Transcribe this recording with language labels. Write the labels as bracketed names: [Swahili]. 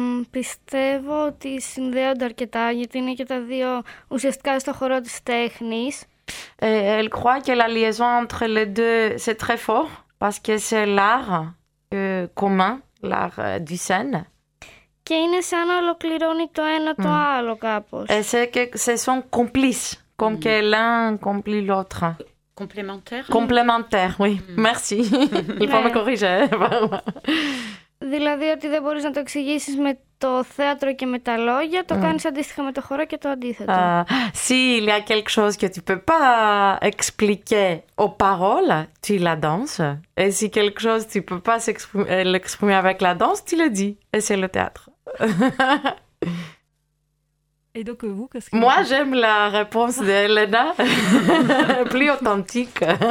[Greek] Πιστεύω ότι συνδέονται αρκετά γιατί είναι και τα δύο ουσιαστικά στο χώρο της τέχνης. [French] Elle croit que la liaison entre les deux c'est très fort parce que c'est l'art. Commun, l'art du scène. [Greek] Και είναι σαν να ολοκληρώνει το ένα το άλλο κάπως. [French] Et c'est que c'est son complice, comme que l'un complit l'autre. Complémentaire. Complémentaire, oui. Merci. Il faut me corriger. [Greek] Δηλαδή ότι δεν μπορείς να το εξηγήσεις με το θέατρο και με τα λόγια, το κάνεις αντίστοιχα με το χώρο και το αντίθετο. [French] Si il y a quelque chose que tu peux pas expliquer aux paroles, tu la danses. Et si quelque chose tu peux pas l'exprimer avec la danse, tu le dis. Et c'est le théâtre. Et donc vous, qu'est-ce que... Moi, j'aime la réponse d'Elena, plus authentique.